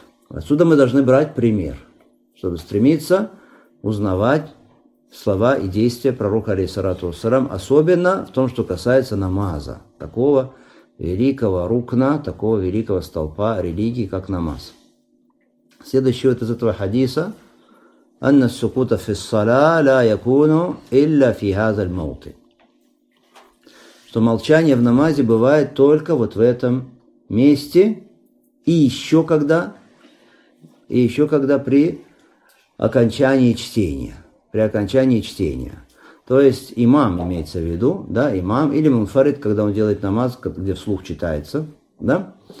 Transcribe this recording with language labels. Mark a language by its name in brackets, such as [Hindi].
[Russian] Отсюда мы должны брать пример, чтобы стремиться узнавать слова и действия пророка алейхиссалам, особенно в том, что касается намаза, такого великого рукна, такого великого столпа религии, как намаз. Следующий вот из этого хадиса. [Arabic] أن السقوط في الصلاة لا يكون إلا في هذا الموطن. [Russian] Что молчание в намазе бывает только вот в этом месте и еще когда при окончании чтения. При окончании чтения. То есть имам имеется в виду, да, имам или мунфарид, когда он делает намаз, где вслух читается, да.